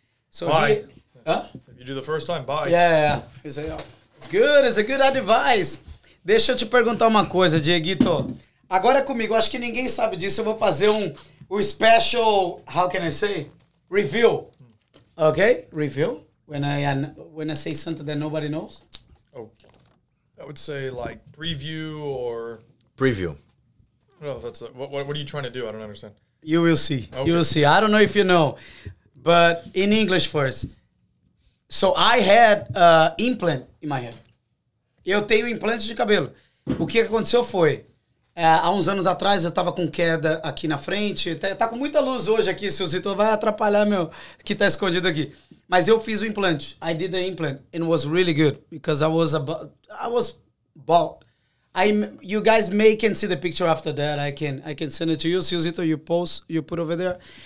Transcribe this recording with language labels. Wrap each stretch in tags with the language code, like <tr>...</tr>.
<en>So bye. If you do the first time, bye. Yeah. It's a good advice.</en> <pt>Deixa eu te perguntar uma coisa, Dieguito. Agora comigo, acho que ninguém sabe disso. Eu vou fazer um</pt> <en>special, how can I say? Review. Ok? Review? When I say something that nobody knows? Oh. I would say like preview or... Preview. Well, that's what are you trying to do? I don't understand. You will see. Okay. You will see. I don't know if you know, but in English first. So I had an implant in my head.</en> <pt>Eu tenho implante de cabelo. O que aconteceu foi, há uns anos atrás eu tava com queda aqui na frente. Tá com muita luz hoje aqui, Silzito. Vai atrapalhar meu que tá escondido aqui. Mas eu fiz o implante.</pt> <en>I did the implant and it was really good because I was bald. You guys may can see the picture after that. I can send it to you. Silzito, you put over there.</en>